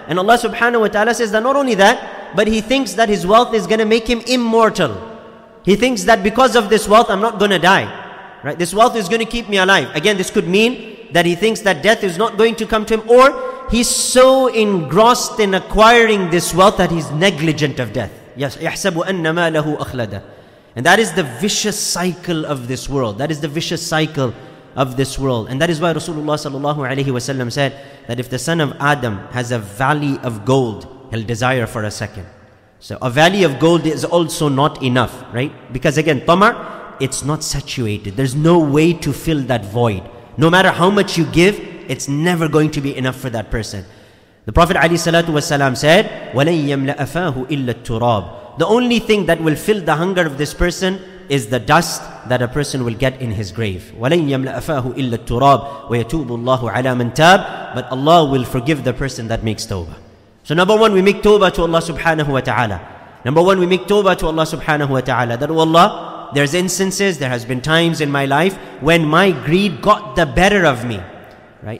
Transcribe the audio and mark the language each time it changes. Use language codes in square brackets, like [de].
[en] And Allah subhanahu wa ta'ala says that not only that, but he thinks that his wealth is going to make him immortal. He thinks that because of this wealth, I'm not going to die. Right? This wealth is going to keep me alive. Again, this could mean that he thinks that death is not going to come to him, or he's so engrossed in acquiring this wealth that he's negligent of death. [ar] Yes, يَحْسَبُ أَنَّ مَالَهُ أَخْلَدَ. [en] And that is the vicious cycle of this world. That is the vicious cycle of this world. And that is why Rasulullah sallallahu alayhi wasallam said that if the son of Adam has a valley of gold, he'll desire for a second. So a valley of gold is also not enough, right? Because again, tamar, it's not saturated. There's no way to fill that void. No matter how much you give, it's never going to be enough for that person. The Prophet [ar] عليه الصلاة والسلام [en] said, [ar] وَلَنْ يَمْلَأَ فَاهُ إِلَّا التُّرَابُ. [en] The only thing that will fill the hunger of this person is the dust that a person will get in his grave. [ar] وَلَنْ يَمْلَأَ فَاهُ إِلَّا التُّرَابُ وَيَتُوبُ اللَّهُ عَلَى مَنْ تَابُ. [en] But Allah will forgive the person that makes tawbah. So number one, we make tawbah to Allah subhanahu wa ta'ala. Number one, we make tawbah to Allah subhanahu wa ta'ala. That, oh Allah, there's instances, there has been times in my life when my greed got the better of me. Right?